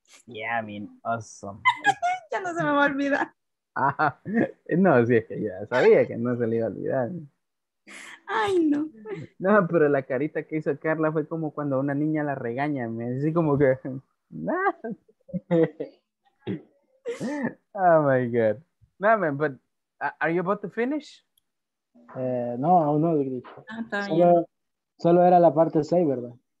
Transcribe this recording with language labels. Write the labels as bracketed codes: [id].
[en] Yeah, I mean, awesome. [es] Ya no se me va a olvidar. Ah, no, sí, es que ya sabía que no se le iba a olvidar. Ay, no. No, pero la carita que hizo Carla fue como cuando una niña la regaña, me así como que... Nah. [en] Oh, my God. No, man, but are you about to finish? [es] No, aún no, solo era la parte 6, ¿verdad?